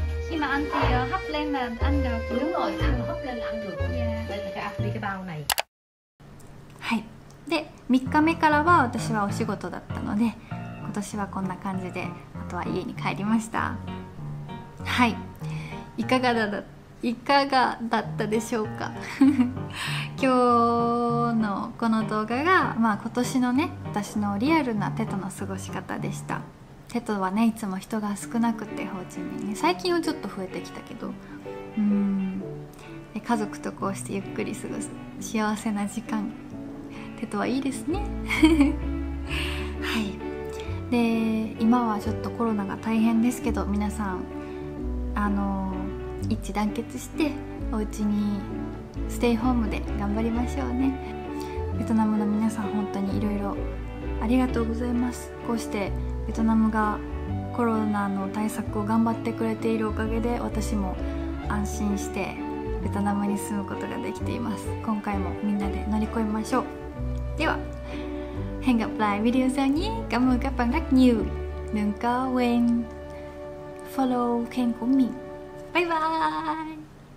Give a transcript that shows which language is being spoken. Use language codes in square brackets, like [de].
[vi] Khi mà ăn thì hấp lên là ăn được. Đúng rồi, ăn hấp lên là ăn được. Dạ. Đây là cái Akiri cái bao này. Hai. Để 3 ngày sau là, tôi là công việc đó, nên năm nay là như thế này. Sau đó là về nhà. Hai. Cái gì? [ja] いかがだったでしょうか今日のこの動画が、まあ、今年のね私のリアルなテトの過ごし方でした。テトはねいつも人が少なくてホーチミンに、ね、最近はちょっと増えてきたけど、で家族とこうしてゆっくり過ごす幸せな時間テトはいいですねはい。で今はちょっとコロナが大変ですけど皆さん一致団結してお家にステイホームで頑張りましょうね。ベトナムの皆さん本当にいろいろありがとうございます。こうしてベトナムがコロナの対策を頑張ってくれているおかげで私も安心してベトナムに住むことができています。今回もみんなで乗り越えましょう。では [vi] Hang up lại video sau nhé. Cảm ơn các bạn rất nhiều. Đừng có quên follow kênh của mình. Bye bye.